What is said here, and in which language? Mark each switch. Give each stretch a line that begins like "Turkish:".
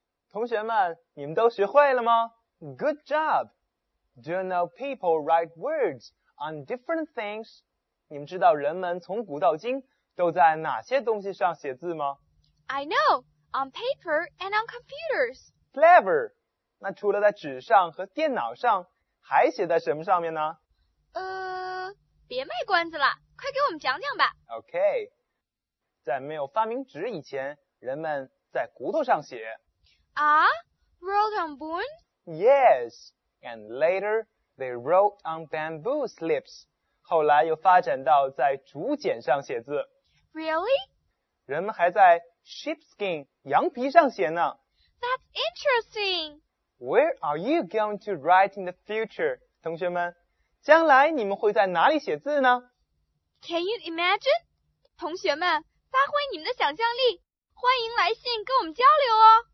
Chinese: 同学们，你们都学会了吗？
English: Good job! Do you know people write words on different things?
Chinese: 你们知道人们从古到今都在哪些东西上写字吗？
English: I know, on paper and on computers. Clever!
Chinese: 那除了在纸上和电脑上，还写在什么上面呢？别卖关子了，快给我们讲讲吧。
English: OK。
Chinese: 在没有发明纸以前，人们在骨头上写。
English: Wrote on bone? Yes, and later they wrote on bamboo slips.
Chinese: 后来又发展到在竹简上写字。
English: Really?
Chinese: 人们还在 sheepskin 羊皮上写呢。
English: That's interesting. Where are you going to write in the future?
Chinese: 同学们，将来你们会在哪里写字呢？
English: Can you imagine?
Chinese: 同学们，发挥你们的想象力，欢迎来信跟我们交流哦。